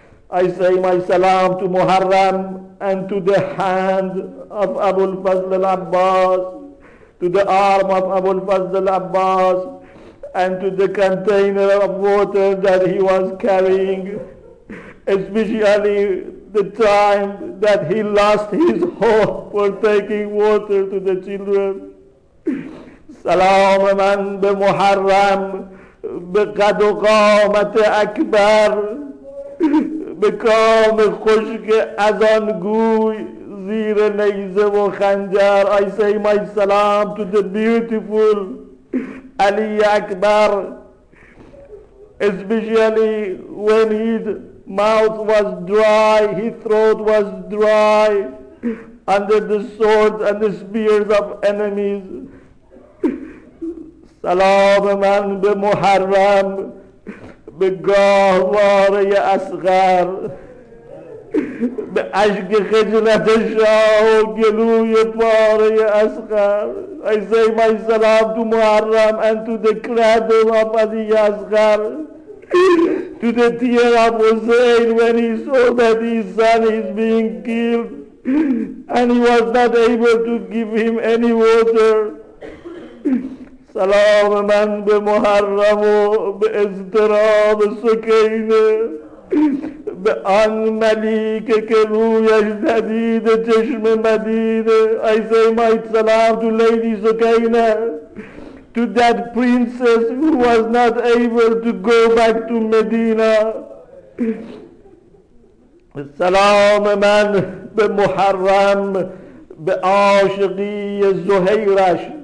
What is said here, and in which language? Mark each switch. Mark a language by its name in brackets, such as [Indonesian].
[English] I say my salam to Muharram and to the hand of Abul Fazl al-Abbas, to the arm of Abul Fazl al-Abbas, and to the container of water that he was carrying, especially the time that he lost his hope for taking water to the children. [Persian] Salam man be Muharram be qad o qamat akbar, به کام خشک از آن گوی زیر نیزه و خنجر. [English] I say my salam to the beautiful Ali Akbar, especially when his mouth was dry, his throat was dry under the swords and the spears of enemies. [Persian] Salam man be Muharram به گاهواره اصغر، به عشق خجلت شاه و گلوی پاره اصغر. [English] I say my salam to Muharram and to the cradle of Ali Asghar, to the tear of Hussein when he saw that his son is being killed and he was not able to give him any water. [Persian] سلام من به محرم و به اضطراب سکینه، به آن ملیک که رویش ندید چشم مدینه. [English] I say my salam to Lady Sukaina, to that princess who was not able to go back to Medina. [Persian] سلام من به محرم به عاشقی زهیرش،